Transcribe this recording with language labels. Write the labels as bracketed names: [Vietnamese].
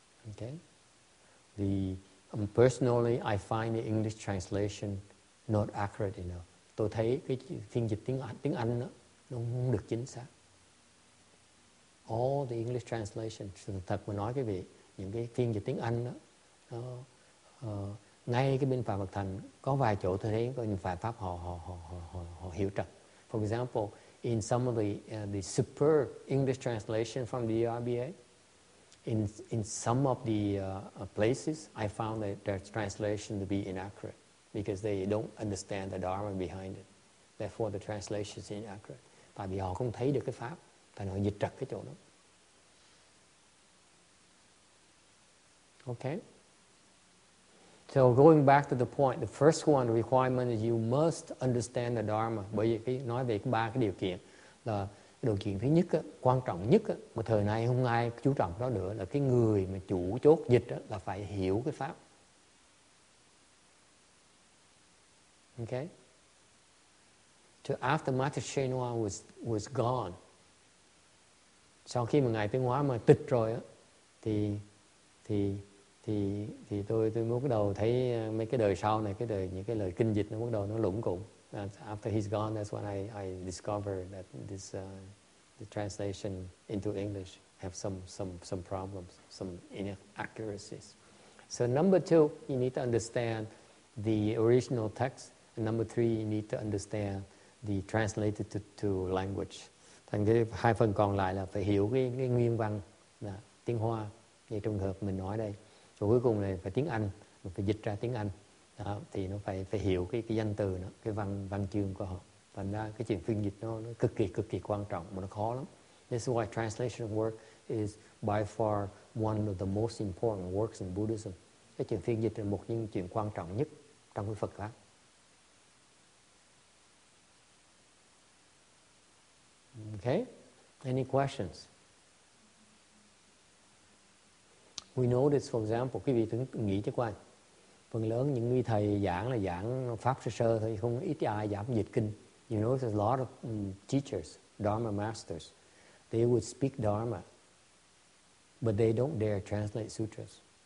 [English] Okay, personally I find the English translation not accurate enough. [Vietnamese] Tôi thấy cái phiên dịch tiếng Anh đó, nó không được chính xác. [English] All the English translations, [Vietnamese] thật mà nói quý vị, những cái phiên dịch tiếng Anh đó, ngay cái bên Phạm Bậc Thành có vài chỗ tôi thấy có những vài pháp họ hiểu trật. [English] For example, in some of the superb English translation from the RBA, in some of the places, I found that their translation to be inaccurate because they don't understand the Dharma behind it. Therefore, the translation is inaccurate. [Vietnamese] Tại vì họ không thấy được cái pháp. Tại nó dịch trật cái chỗ đó. Okay. [English] So going back to the point, the first one, the requirement is you must understand the Dharma. [Vietnamese] Bởi vì nói về ba cái điều kiện là điều kiện thứ nhất, quan trọng nhất mà thời nay không ai chú trọng đó nữa là cái người mà chủ chốt dịch là phải hiểu cái pháp. Okay. [English] So after Master Shenhua was gone, [Vietnamese] sau khi mà ngài tiến hóa mà tịch rồi á, thì tôi bắt đầu thấy mấy cái đời sau này, cái đời những cái lời kinh dịch nó bắt đầu nó lủng củng. [English] After he's gone, that's when I discovered that this the translation into English have some problems, some inaccuracies. So number two, you need to understand the original text, and number three, you need to understand the translated to language. [Vietnamese] Thành cái hai phần còn lại là phải hiểu cái nguyên văn là tiếng Hoa như trường hợp mình nói đây. Rồi cuối cùng là phải tiếng Anh, phải dịch ra tiếng Anh. Đó, thì nó phải phải hiểu cái danh từ nó, cái văn chương của họ. Thành ra cái chuyện phiên dịch nó cực kỳ quan trọng, mà nó khó lắm. [English] This is why translation work is by far one of the most important works in Buddhism. [Vietnamese] Cái chuyện phiên dịch là một những chuyện quan trọng nhất trong cái Phật pháp. [English] Okay, any questions? We notice, for example, [Vietnamese] quý vị nghĩ cho qua, phần lớn những người thầy giảng là giảng pháp sơ sơ thôi, không ít ai giảng dịch kinh. [English] You notice a lot of teachers, Dharma masters, they would speak Dharma, but they don't dare translate sutras.